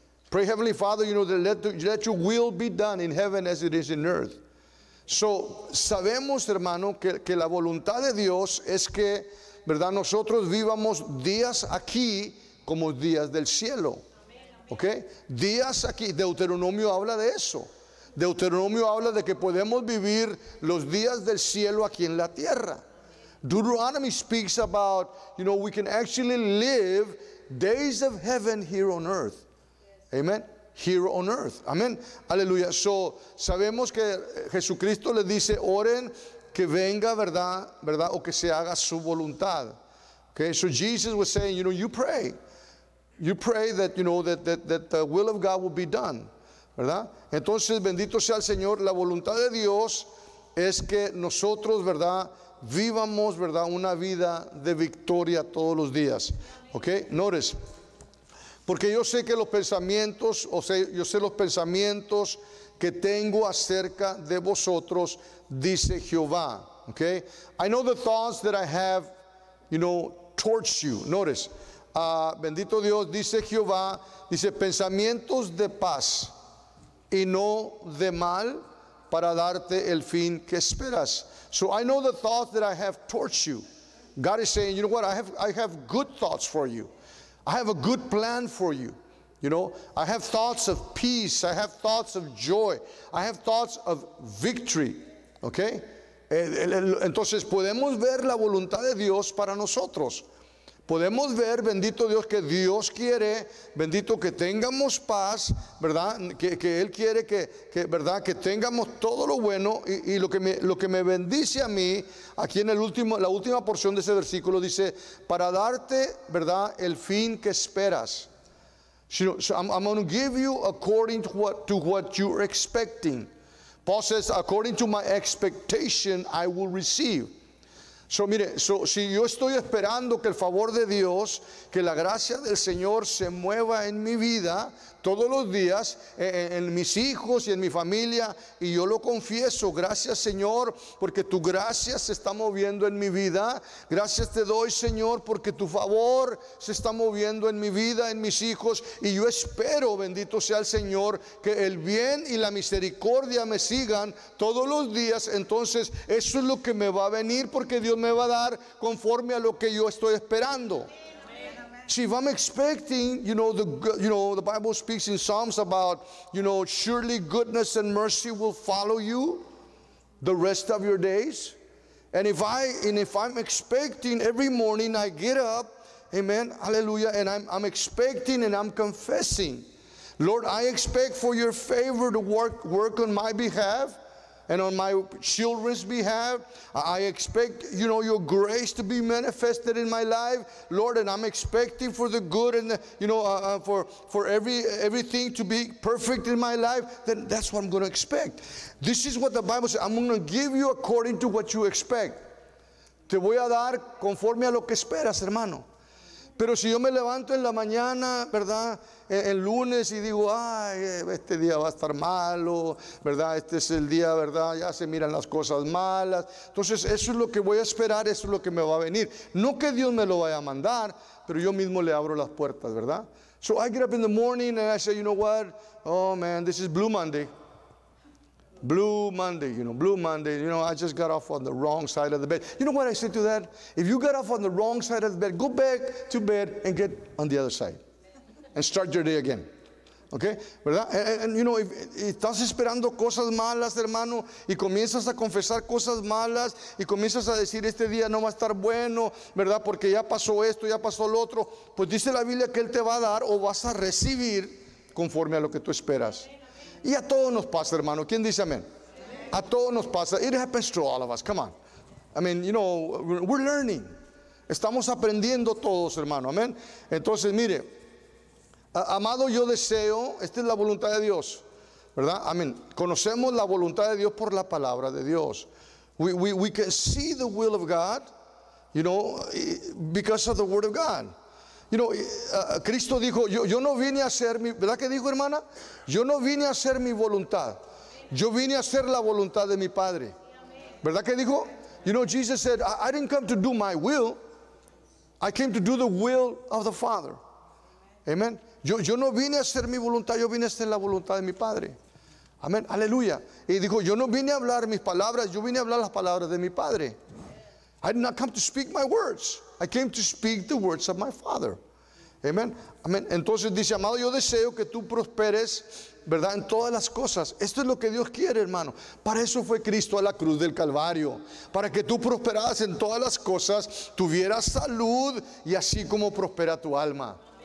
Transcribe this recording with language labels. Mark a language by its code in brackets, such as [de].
[en] Pray, Heavenly Father, you know, that let your will be done in heaven as it is in earth. [es] So, sabemos, hermano, que la voluntad de Dios es que, ¿verdad?, nosotros vivamos días aquí como días del cielo. Ok, días aquí. Deuteronomio habla de eso. Deuteronomio habla de que podemos vivir los días del cielo aquí en la tierra. [en] Deuteronomy speaks about, you know, we can actually live days of heaven here on earth. Amen. Here on earth. Amen. Aleluya. [es] So, sabemos que Jesucristo le dice, oren que venga, ¿verdad?, ¿verdad?, o que se haga su voluntad. [en] Okay, so Jesus was saying, you know, you pray. You pray that, you know, that the will of God will be done. [es] ¿Verdad? Entonces, bendito sea el Señor, la voluntad de Dios es que nosotros, ¿verdad?, vivamos, ¿verdad?, una vida de victoria todos los días. ¿Ok? [en] Notice. [es] Porque yo sé que los pensamientos, o sea, yo sé los pensamientos que tengo acerca de vosotros, dice Jehová. ¿Ok? [en] I know the thoughts that I have, you know, towards you. Notice. [es] Bendito Dios, dice Jehová, dice, pensamientos de paz y no de mal para darte el fin que esperas. [en] So I know the thoughts that I have towards you. God is saying, you know what, I have good thoughts for you. I have a good plan for you. You know, I have thoughts of peace. I have thoughts of joy. I have thoughts of victory. Okay? [es] Entonces, podemos ver la voluntad de Dios para nosotros. Podemos ver, bendito Dios, que Dios quiere, bendito, que tengamos paz, ¿verdad? Que Él quiere que ¿verdad?, que tengamos todo lo bueno. Y lo que me bendice a mí, aquí en la última porción de ese versículo, dice, para darte, ¿verdad?, el fin que esperas. [en] So I'm going to give you according to what you're expecting. Paul says, according to my expectation, I will receive. [es] So, mire, so, si yo estoy esperando que el favor de Dios, que la gracia del Señor se mueva en mi vida todos los días, en mis hijos y en mi familia, y yo lo confieso, gracias Señor, porque tu gracia se está moviendo en mi vida, gracias te doy Señor, porque tu favor se está moviendo en mi vida, en mis hijos, y yo espero, bendito sea el Señor, que el bien y la misericordia me sigan todos los días, entonces eso es lo que me va a venir, porque Dios me va a dar conforme a lo que yo estoy esperando. [en] See, if I'm expecting, you know, the Bible speaks in Psalms about, you know, surely goodness and mercy will follow you the rest of your days. And if I'm expecting every morning I get up, amen, hallelujah, and I'm expecting and I'm confessing, Lord, I expect for your favor to work on my behalf and on my children's behalf. I expect, you know, your grace to be manifested in my life, Lord, and I'm expecting for the good and the, you know, for everything to be perfect in my life, then that's what I'm going to expect. This is what the Bible says. I'm going to give you according to what you expect. [es] Te voy a dar conforme a lo que esperas, hermano. Pero si yo me levanto en la mañana, ¿verdad?, el lunes y digo, ay, este día va a estar malo, ¿verdad?, este es el día, ¿verdad?, ya se miran las cosas malas. Entonces, eso es lo que voy a esperar, eso es lo que me va a venir. No que Dios me lo vaya a mandar, pero yo mismo le abro las puertas, ¿verdad? [en] So I get up in the morning and I say, you know what, oh man, this is Blue Monday. Blue Monday, you know, I just got off on the wrong side of the bed. You know what I said to that? If you got off on the wrong side of the bed, go back to bed and get on the other side and start your day again. [es] Okay, ¿verdad? [en] You know, [es] estás esperando cosas malas, hermano, y comienzas a confesar cosas malas y comienzas a decir este día no va a estar bueno, ¿verdad? Porque ya pasó esto, ya pasó lo otro. Pues dice la Biblia que Él te va a dar o vas a recibir conforme a lo que tú esperas. Y a todos nos pasa, hermano. ¿Quién dice amén? A todos nos pasa. [en] It happens to all of us. Come on. I mean, you know, we're learning. [es] Estamos aprendiendo todos, hermano. Amén. Entonces, mire. Amado, yo deseo, esta es la voluntad de Dios, ¿verdad? Amén. Conocemos la voluntad de Dios por la palabra de Dios. [en] We can see the will of God, you know, because of the word of God. You know, [es] Cristo dijo, yo no vine a hacer mi, ¿verdad que dijo, hermana? Yo no vine a hacer mi voluntad. Yo vine a hacer la voluntad de mi Padre. ¿Verdad que dijo? [en] You know, Jesus said, I didn't come to do my will. I came to do the will of the Father. [es] Amén. Yo no vine a hacer mi voluntad, yo vine a hacer la voluntad de mi Padre. Amén, aleluya. Y dijo, yo no vine a hablar mis palabras, yo vine a hablar las palabras de mi Padre. I did not come to speak my words. I came to speak the words of my Father. Amén, amén. Entonces dice, amado, yo deseo que tú prosperes, ¿verdad? En todas las cosas. Esto es lo que Dios quiere, hermano. Para eso fue Cristo a la cruz del Calvario. Para que tú prosperas en todas las cosas, tuvieras salud y así como prospera tu alma.